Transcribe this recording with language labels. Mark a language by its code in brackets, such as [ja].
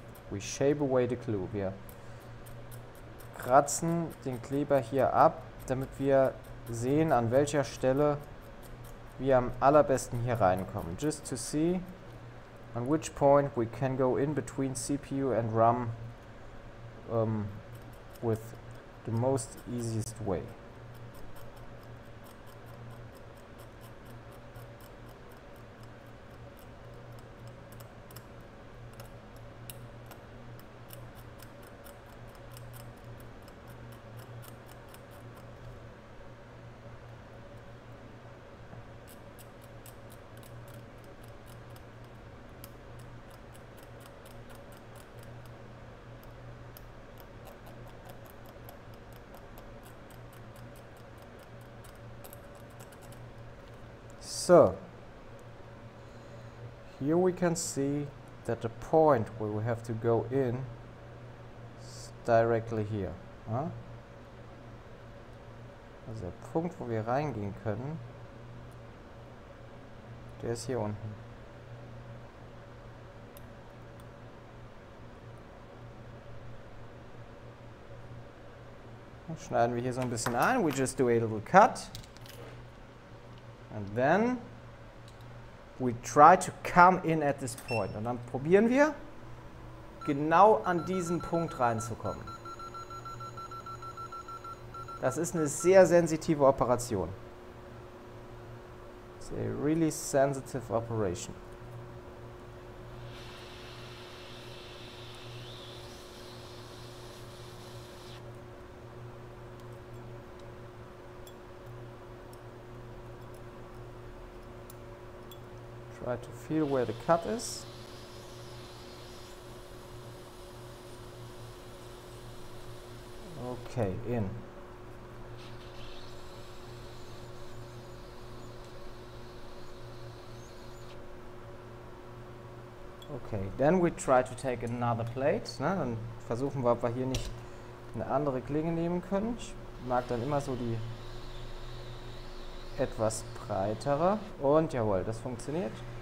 [en] We shave away the glue. [de] Wir kratzen den Kleber hier ab, damit wir sehen, an welcher Stelle wir am allerbesten hier reinkommen. [en] Just to see on which point we can go in between CPU and RAM with the most easiest way. So, here we can see that the point where we have to go in is directly here. [de] Also der Punkt, wo wir reingehen können, der ist hier unten. schneiden wir hier so ein bisschen ein. [en] We just do a little cut. And then we try to come in at this point. [de] Und dann probieren wir, genau an diesen Punkt reinzukommen. Das ist eine sehr sensitive Operation. [en] It's a really sensitive operation. Try to feel where the cut is. Okay, in. Okay, then we try to take another plate. [de] Ne? Dann versuchen wir, ob wir hier nicht eine andere Klinge nehmen können. Ich mag dann immer so die etwas breitere. Und jawohl, das funktioniert.